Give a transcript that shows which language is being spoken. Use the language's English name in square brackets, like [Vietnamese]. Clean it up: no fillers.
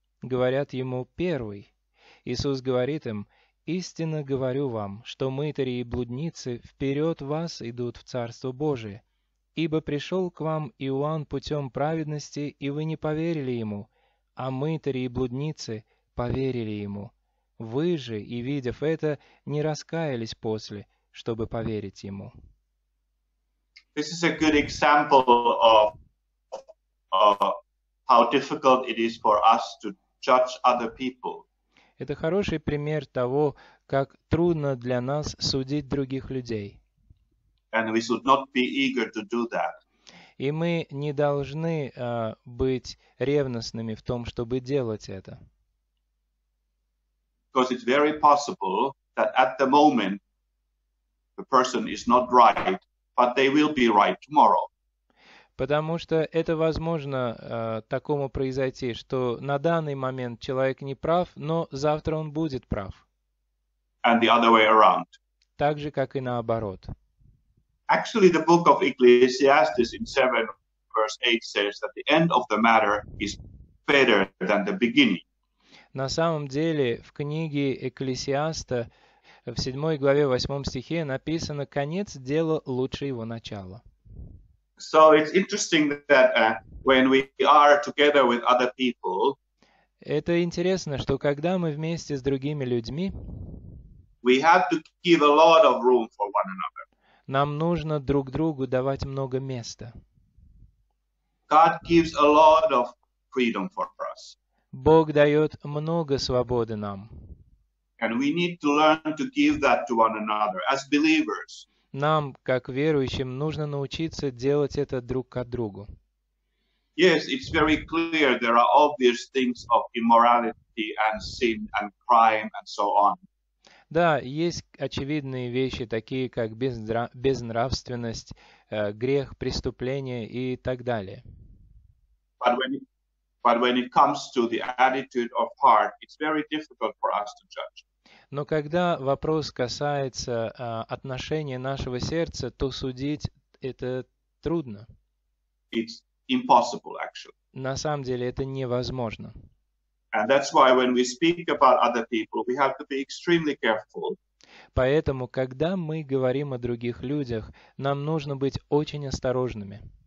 [Russian] Говорят ему, первый. Иисус говорит им, «Истинно говорю вам, что мытари и блудницы вперед вас идут в Царство Божие. Ибо пришел к вам Иоанн путем праведности, и вы не поверили ему, а мытари и блудницы поверили ему». Вы же, и видев это, не раскаялись после, чтобы поверить ему. [English] This is a good example of how difficult it is for us to judge other people. [Russian] Это хороший пример того, как трудно для нас судить других людей. [English] And we should not be eager to do that. [Russian] И мы не должны быть ревностными в том, чтобы делать это. [English] Because it's very possible that at the moment the person is not right, but they will be right tomorrow. [Russian] Потому что это возможно такому произойти, что на данный момент человек не прав, но завтра он будет прав. [English] And the other way around. [Russian] Так же, как и наоборот. [English] Actually, the book of Ecclesiastes in 7 verse 8 says that the end of the matter is better than the beginning. [Russian] На самом деле, в книге Экклесиаста, в 7 главе 8 стихе написано: конец дела лучше его начала. [English] So it's interesting that when we are together with other people, [Russian] это интересно, что когда мы вместе с другими людьми, [English] we have to give a lot of room for one another. [Russian] Нам нужно друг другу давать много места. [English] God gives a lot of freedom for us. [Russian] Бог дает много свободы нам. [English] And we need to learn to give that to one another as believers. [Russian] Нам, как верующим, нужно научиться делать это друг к другу. [English] Yes, it's very clear there are obvious things of immorality and sin and crime and so on. [Russian] Да, есть очевидные вещи, такие как безнравственность, грех, преступление и так далее. [English] But when it comes to the attitude of heart, it's very difficult for us to judge. [Russian] Но когда вопрос касается отношения нашего сердца, то судить это трудно. [English] It's impossible, actually. [Russian] На самом деле это невозможно. [English] And that's why when we speak about other people, we have to be extremely careful. [Russian] Поэтому, когда мы говорим о других людях, нам нужно быть очень осторожными.